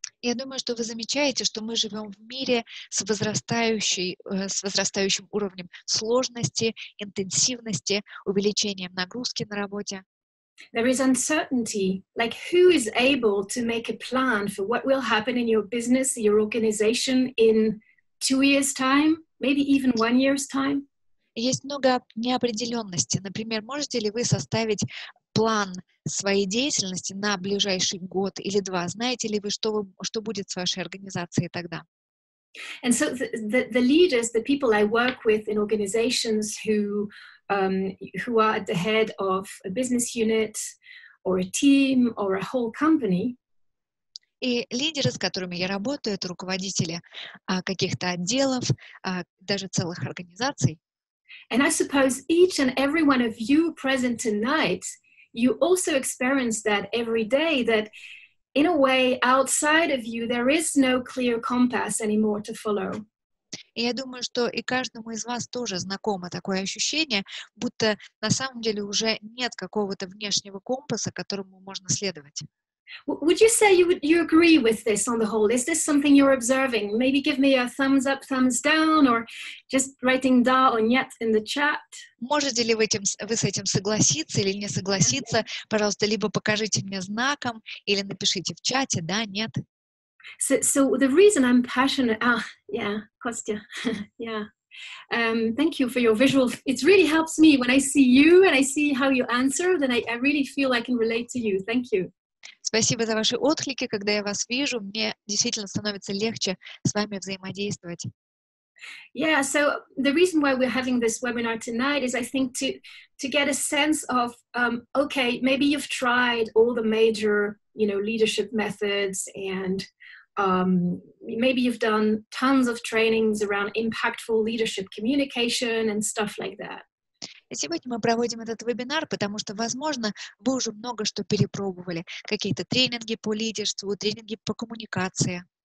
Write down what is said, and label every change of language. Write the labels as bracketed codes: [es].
[ru] Я думаю, что вы замечаете, что мы живем в мире с возрастающим уровнем сложности, интенсивности, увеличением нагрузки на работе. [en] There is uncertainty, like who is able to make a plan for what will happen in your business, your organization in 2 years' time, maybe even 1 year's time? [ru] Есть много неопределенности. Например, можете ли вы составить план своей деятельности на ближайший год или два? Знаете ли вы, что будет с вашей организацией тогда? [en] And so the leaders, the people I work with in organizations who are at the head of a business unit or a team or a whole company. [ru] И лидеры, с которыми я работаю, это руководители каких-то отделов, даже целых организаций. [en] And I suppose each and every one of you present tonight, you also experience that every day, that in a way, outside of you, there is no clear compass anymore to follow. [ru] И я думаю, что и каждому из вас тоже знакомо такое ощущение, будто на самом деле уже нет какого-то внешнего компаса, которому можно следовать. [en] Would you say you agree with this on the whole? Is this something you're observing? Maybe give me a thumbs up, thumbs down, or just writing da or нет in the chat. [ru] Можете ли вы с этим согласиться или не согласиться? Пожалуйста, либо покажите мне знаком или напишите в чате да, нет. [en] So the reason I'm passionate. Костя. Thank you for your visual. It really helps me when I see you and I see how you answer. Then I really feel I can relate to you. Thank you. [ru] Спасибо за ваши отклики. Когда я вас вижу, мне действительно становится легче с вами взаимодействовать. [en] Yeah, so the reason why we're having this webinar tonight is, I think, to get a sense of, okay, maybe you've tried all the major, you know, leadership methods, and maybe you've done tons of trainings around impactful leadership communication and stuff like that. [ru] Сегодня мы проводим этот вебинар, потому что, возможно, вы уже много что перепробовали. Какие-то тренинги по лидерству, тренинги по коммуникации.